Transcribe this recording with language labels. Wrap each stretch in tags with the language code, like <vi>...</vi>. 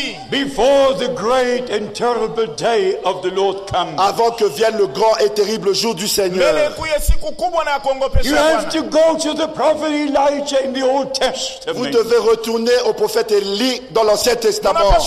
<en>Before the great and terrible day of the Lord comes.</en> <fr>Avant que vienne le grand et terrible jour du Seigneur.</fr> <en>You have to go to the prophet Elijah in the Old Testament.</en> <fr>Vous devez retourner au prophète Élie dans l'Ancien Testament.</fr>